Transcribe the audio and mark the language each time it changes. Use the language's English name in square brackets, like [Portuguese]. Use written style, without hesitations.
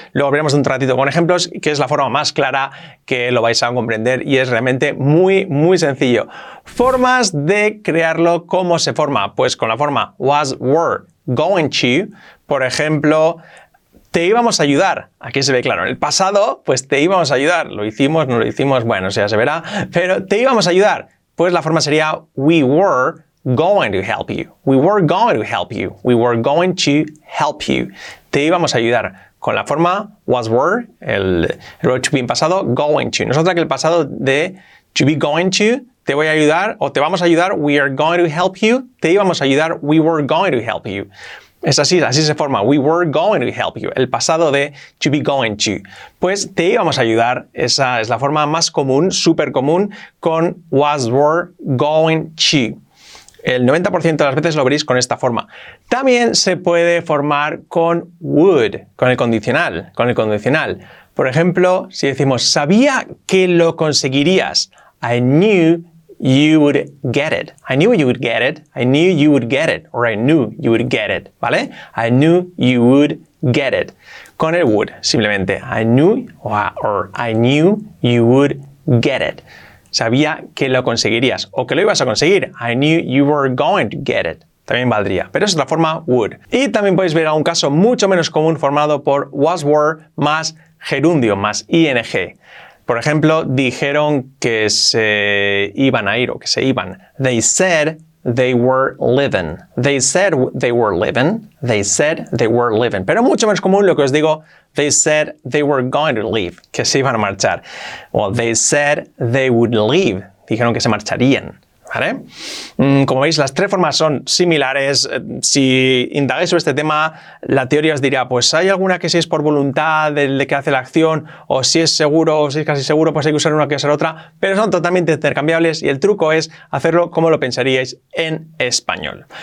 [Spanish] Luego veremos un ratito con ejemplos, que es la forma más clara que lo vais a comprender y es realmente muy, muy sencillo. Formas de crearlo, ¿cómo se forma? Pues con la forma was, were, going to. Por ejemplo, te íbamos a ayudar. Aquí se ve claro. En el pasado, pues te íbamos a ayudar. Lo hicimos, no lo hicimos, bueno, ya se verá. Pero te íbamos a ayudar. Pues la forma sería [English] we were going to help you. We were going to help you. We were going to help you. [Spanish] Te íbamos a ayudar. Con la forma was were, el verbo to be en pasado, going to. No es otra que el pasado de to be going to, te voy a ayudar, o te vamos a ayudar, [English] we are going to help you. [Spanish] Te íbamos a ayudar, [English] we were going to help you. [Spanish] Es así, así se forma. [English] We were going to help you. [Spanish] El pasado de to be going to. Pues te íbamos a ayudar. Esa es la forma más común, súper común, con was, were, going to. El 90% de las veces lo veréis con esta forma. También se puede formar con would, con el condicional. Con el condicional. Por ejemplo, si decimos sabía que lo conseguirías. [English] I knew you would get it. I knew you would get it. I knew you would get it. Or I knew you would get it. ¿Vale? I knew you would get it. [Spanish] Con el would, simplemente. [English] I knew or I knew you would get it. [Spanish] Sabía que lo conseguirías o que lo ibas a conseguir. [English] I knew you were going to get it. [Spanish] También valdría. Pero es otra forma, would. Y también podéis ver a un caso mucho menos común formado por was, were más gerundio, más ing. Por ejemplo, dijeron que se iban a ir o que se iban. [English] They said they were leaving. They said they were leaving. They said they were leaving. [Spanish] Pero mucho menos común lo que os digo. [English] They said they were going to leave. [Spanish] Que se iban a marchar. [English] Well, they said they would leave. [Spanish] Dijeron que se marcharían. ¿Vale? Como veis, las tres formas son similares. Si indagáis sobre este tema, la teoría os dirá, pues hay alguna que si es por voluntad de que hace la acción, o si es seguro, o si es casi seguro, pues hay que usar una que usar otra, pero son totalmente intercambiables y el truco es hacerlo como lo pensaríais en español.